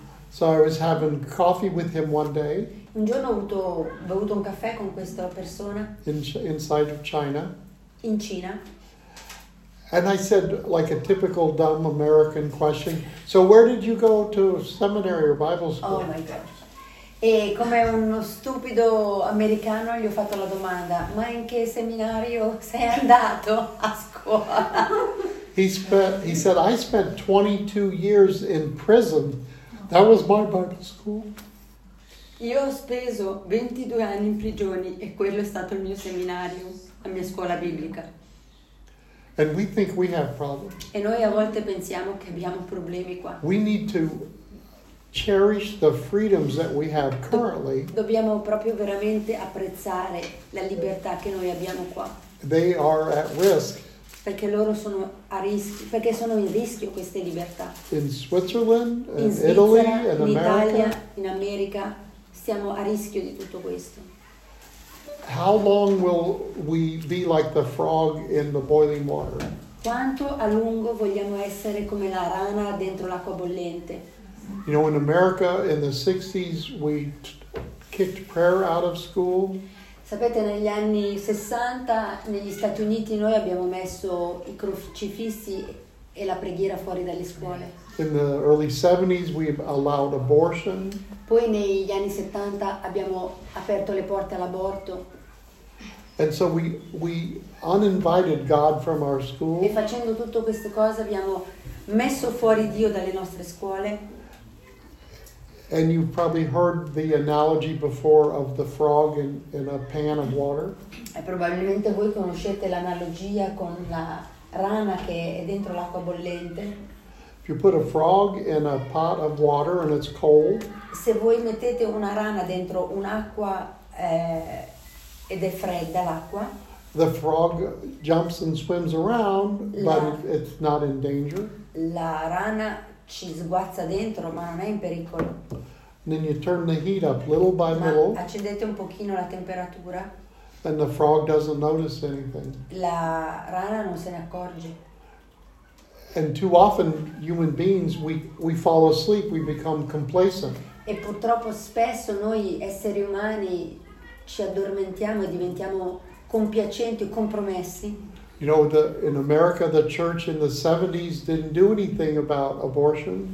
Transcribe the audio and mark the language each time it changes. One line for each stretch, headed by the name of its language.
English: So I was having coffee with him one day.
Italian: Un giorno ho bevuto un caffè con questa persona.
English: Inside of China.
Italian: In Cina.
English: And I said, like a typical dumb American question, "So where did you go to seminary or Bible school?" Oh my gosh.
Italian: E come uno stupido americano gli ho fatto la domanda, "Ma in che seminario sei andato a scuola?"
English: He said, "I spent 22 years in prison. That was my Bible school."
Italian: Io ho speso 22 anni in prigioni e quello è stato il mio seminario, la mia scuola biblica.
English: And we think we have problems.
Italian: E noi a volte pensiamo che abbiamo problemi qua.
English: We need to cherish the freedoms that we have currently.
Italian: Dobbiamo proprio veramente apprezzare la libertà che noi abbiamo qua.
English: They are at risk.
Italian: Perché loro sono a rischio, perché sono in rischio queste libertà.
English: In Switzerland, in Italy, in America.
Italian: In Italia, in America. Siamo a rischio di tutto questo.
English: How long will we be like the frog in the boiling water?
Italian: Quanto a lungo vogliamo essere come la rana dentro l'acqua bollente?
English: You know, in America in the 60s we kicked prayer out of school.
Italian: Sapete, negli anni 60 negli Stati Uniti noi abbiamo messo i crocifissi e la preghiera fuori dalle scuole.
English: In the early 70s we've allowed abortion.
Italian: Poi negli anni 70 abbiamo aperto le porte all'aborto.
English: And so we uninvited God from our school.
Italian: E facendo tutte queste cose abbiamo messo fuori Dio dalle nostre scuole.
English: And you've probably heard the analogy before of the frog in a pan of water.
Italian: E probabilmente voi conoscete l'analogia con la rana che è dentro l'acqua bollente.
English: If you put a frog in a pot of water and it's cold,
Italian: se voi mettete una rana dentro un'acqua ed è fredda l'acqua,
English: the frog jumps and swims around, but it's not in danger.
Italian: La rana ci sguazza dentro, ma non è in pericolo.
English: And then you turn the heat up little by little.
Italian: Accendete un pochino la temperatura.
English: And the frog doesn't notice anything.
Italian: La rana non se ne accorge.
English: And too often, human beings, we fall asleep, we become complacent.
Italian: E purtroppo spesso noi esseri umani ci addormentiamo e diventiamo compiacenti, compromessi.
English: You know, in America, the church in the 70s didn't do anything about abortion.